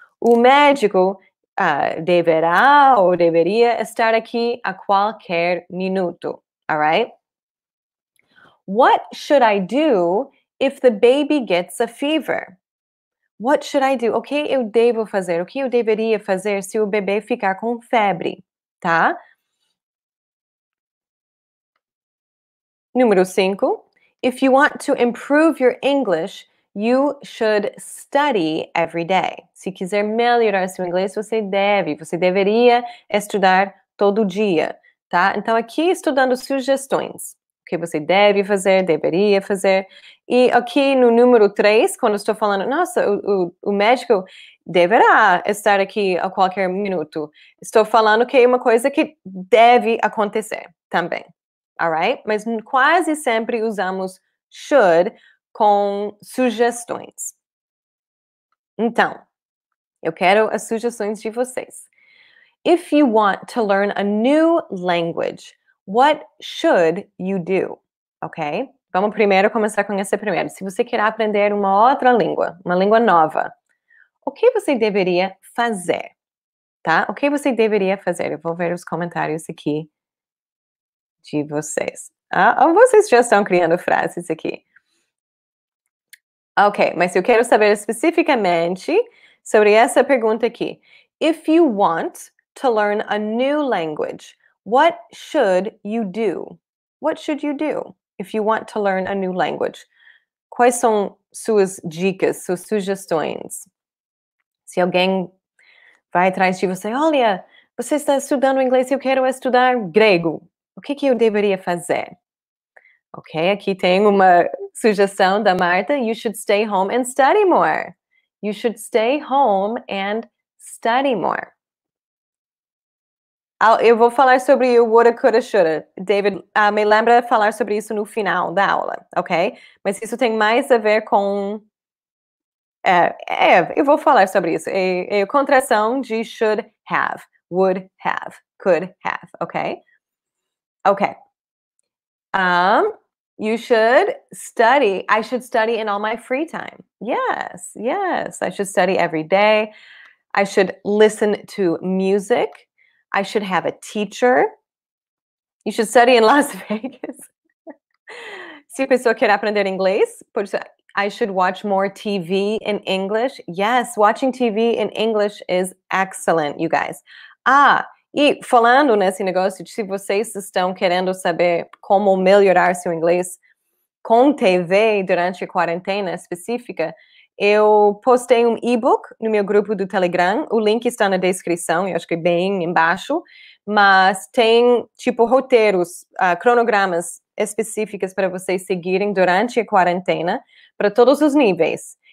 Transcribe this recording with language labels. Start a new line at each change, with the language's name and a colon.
Portuguese: O médico deverá ou deveria estar aqui a qualquer minuto,
English: all right? What should I do if the baby gets a fever? What should I do?
Portuguese: O que eu devo fazer? O que eu deveria fazer se o bebê ficar com febre, tá? Número 5,
English: if you want to improve your English, you should study every day.
Portuguese: Se quiser melhorar seu inglês, você deveria estudar todo dia, tá? Então, aqui estou dando sugestões, o que você deve fazer, deveria fazer. E aqui no número 3, quando estou falando, nossa, o médico deverá estar aqui a qualquer minuto, estou falando que é uma coisa que deve acontecer também.
English: All right?
Portuguese: Mas quase sempre usamos should com sugestões. Então, eu quero as sugestões de vocês.
English: If you want to learn a new language, what should you do?
Portuguese: Ok? Vamos primeiro começar com essa primeira. Se você quer aprender uma outra língua, uma língua nova, o que você deveria fazer? tá? O que você deveria fazer? Eu vou ver os comentários aqui de vocês. Ah, ou vocês já estão criando frases aqui. Ok, mas eu quero saber especificamente sobre essa pergunta aqui.
English: If you want to learn a new language, what should you do? What should you do if you want to learn a new language?
Portuguese: Quais são suas dicas, suas sugestões? Se alguém vai atrás de você, olha, você está estudando inglês e eu quero estudar grego. O que eu deveria fazer? Ok, aqui tem uma sugestão da Marta.
English: You should stay home and study more. You should stay home and study more.
Portuguese: Eu vou falar sobre o woulda, coulda, shoulda. David, me lembra falar sobre isso no final da aula, ok? Mas isso tem mais a ver com... eu vou falar sobre isso. É a contração de should have, would have, could have, ok? Ok.
English: You should study. I should study in all my free time. Yes, yes. I should study every day. I should listen to music. I should have a teacher. You should study in Las Vegas.
Portuguese: Se a pessoa quer aprender inglês,
English: I should watch more TV in English. Yes, watching TV in English is excellent, you guys.
Portuguese: Ah, e falando nesse negócio, se vocês estão querendo saber como melhorar seu inglês com TV durante a quarentena específica, eu postei e-book no meu grupo do Telegram. O link está na descrição, eu acho que bem embaixo. Mas tem, tipo, roteiros, cronogramas específicos para vocês seguirem durante a quarentena, para todos os níveis.